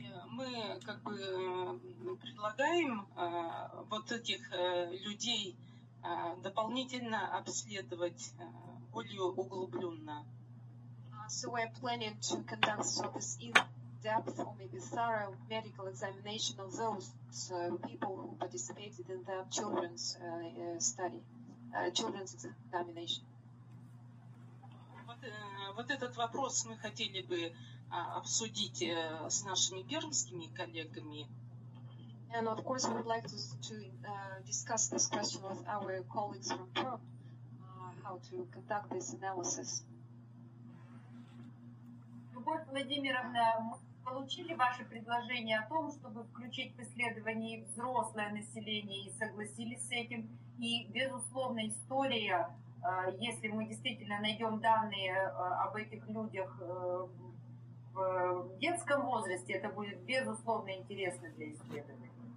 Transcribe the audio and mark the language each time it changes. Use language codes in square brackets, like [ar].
[ru] Мы как бы предлагаем вот этих людей дополнительно обследовать более углубленно. [en] So we're planning to conduct sort of in-depth or maybe thorough medical examination of those people who participated in the children's study, children's examination. [ru] Вот этот вопрос мы хотели бы обсудить с нашими пермскими коллегами. [en] And of course, we'd like to discuss this question with our colleagues from Perm, how to conduct this analysis. [ru] Любовь Владимировна, мы получили ваше предложение о том, чтобы включить в исследование взрослое население, и согласились с этим. И, безусловно, история, если мы действительно найдем данные об этих людях в детском возрасте, это будет, безусловно, интересно для исследования.